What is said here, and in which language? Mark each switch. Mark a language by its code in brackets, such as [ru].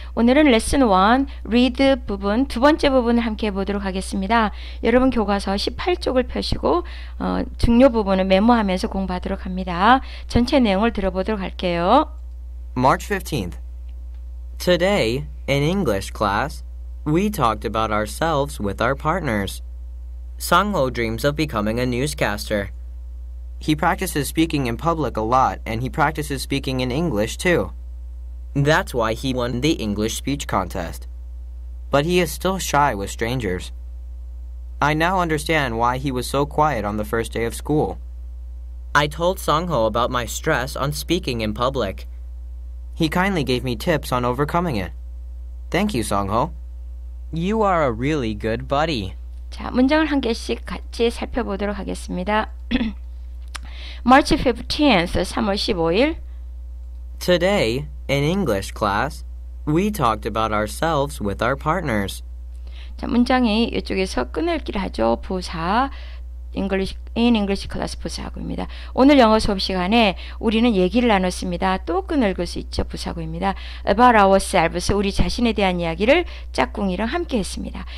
[ko] 오늘은 레슨 1, read 부분, 두 번째 부분을 함께 보도록 하겠습니다. 여러분 교과서 18쪽을 펴시고, 중요 부분을 메모하면서 공부하도록 합니다. 전체 내용을 들어보도록 할게요. [en] March 15th. Today, in English class, we talked about ourselves with our partners. Sang-ho dreams of becoming a newscaster. He practices speaking in public a lot, and he practices speaking in English too. That's why he won the English speech contest. But he is still shy with strangers. I now understand why he was so quiet on the first day of school. I told Sang-ho about my stress on speaking in public. He kindly gave me tips on overcoming it. Thank you, Sang-ho. You are a really good buddy. [ko] 자, 문장을 한 개씩 같이 살펴보도록 하겠습니다. [en] March 15th, [ko] 3월 15일. [en] Today, in English class, we talked about ourselves with our partners. [ko] 자, 문장이 이쪽에서 끊을기를 하죠. 부사, [en] in English class [ko] 부사구입니다. 오늘 영어 수업 시간에 우리는 얘기를 나눴습니다. 또 끊을길 수 있죠. 부사구입니다. [en] About ourselves, [ko] 우리 자신에 대한 이야기를 짝꿍이랑 함께 했습니다.